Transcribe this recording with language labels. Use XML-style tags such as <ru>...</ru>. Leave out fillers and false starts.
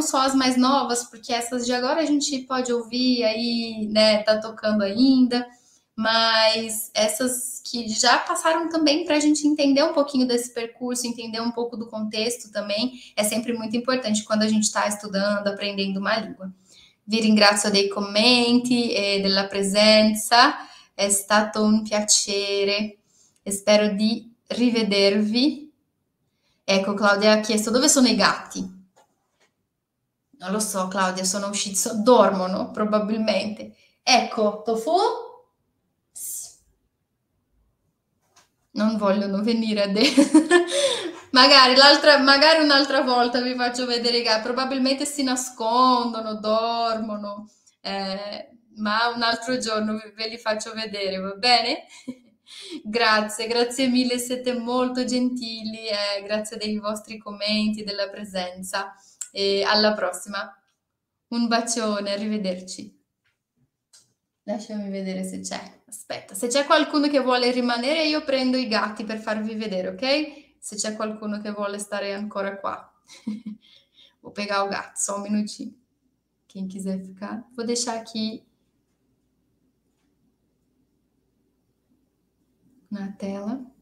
<pt>Não só as mais novas, porque essas de agora a gente pode ouvir aí, né? Tá tocando ainda, mas essas que já passaram também para a gente entender um pouquinho desse percurso, entender um pouco do contexto também, é sempre muito importante quando a gente está estudando, aprendendo uma língua.</pt> <it>Vi ringrazio dei commenti e della presenza. È stato un piacere e spero di rivedervi. Ecco, Claudia ha chiesto dove sono i gatti? Non lo so, Claudia, sono usciti, dormono probabilmente. Ecco, Tofu. Non vogliono venire magari un'altra volta vi faccio vedere i gatti. Probabilmente si nascondono, dormono. Ma un altro giorno ve li faccio vedere, va bene? Grazie, grazie mille, siete molto gentili, grazie dei vostri commenti, della presenza e alla prossima. Un bacione, arrivederci. Lasciami vedere se c'è. Aspetta, se c'è qualcuno che vuole rimanere, io prendo i gatti per farvi vedere, ok? Se c'è qualcuno che vuole stare ancora qua.</it> <pt>Vou pegar o gatto, só um minutinho. Quem quiser ficar, vou deixar aqui. Na tela.</pt>